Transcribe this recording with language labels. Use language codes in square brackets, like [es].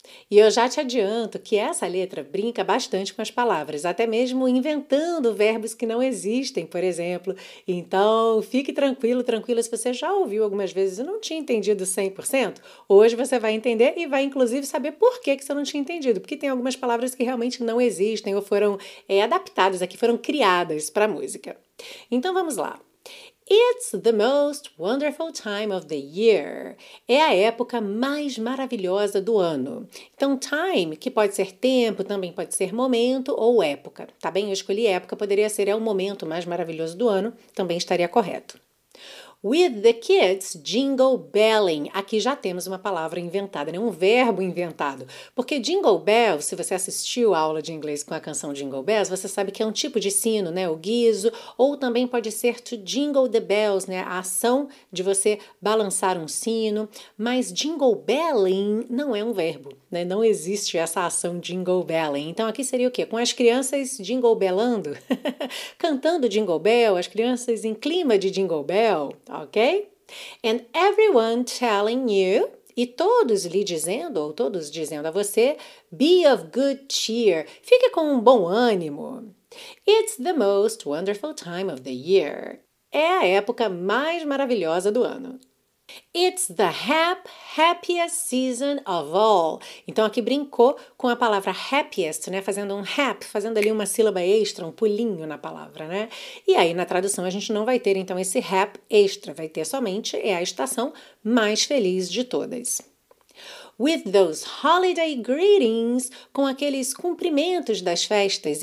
[pt] E eu já te adianto que essa letra brinca bastante com as palavras, até mesmo inventando verbos que não existem, por exemplo. Então, fique tranquilo, tranquila, se você já ouviu algumas vezes e não tinha entendido 100%, hoje você vai entender e vai inclusive saber por que você não tinha entendido, porque tem algumas palavras que realmente não existem ou foram adaptadas aqui, foram criadas para a música. Então, vamos lá. [en] It's the most wonderful time of the year. [pt] É a época mais maravilhosa do ano. Então, time, que pode ser tempo, também pode ser momento ou época. Tá bem? Eu escolhi época, poderia ser é o momento mais maravilhoso do ano, também estaria correto. [en] With the kids jingle belling. [pt] Aqui já temos uma palavra inventada, né? Um verbo inventado. Porque jingle bell, se você assistiu a aula de inglês com a canção Jingle Bells, você sabe que é um tipo de sino, né? O guiso. Ou também pode ser [en] to jingle the bells, [pt] né? A ação de você balançar um sino. Mas jingle belling não é um verbo, né? Não existe essa ação jingle belling. Então aqui seria o quê? Com as crianças jingle bellando? Cantando jingle bell, as crianças em clima de jingle bell. Ok? [en] And everyone telling you, [pt] e todos lhe dizendo, ou todos dizendo a você, [en] be of good cheer, [pt] fique com um bom ânimo. [en] It's the most wonderful time of the year. [pt] É a época mais maravilhosa do ano. [en] It's the happiest season of all. [pt] Então aqui brincou com a palavra happiest, né? Fazendo um rap, fazendo ali uma sílaba extra, um pulinho na palavra, né? E aí na tradução a gente não vai ter então esse rap extra, vai ter somente é a estação mais feliz de todas. [en] With those holiday greetings, [pt] com aqueles cumprimentos das festas.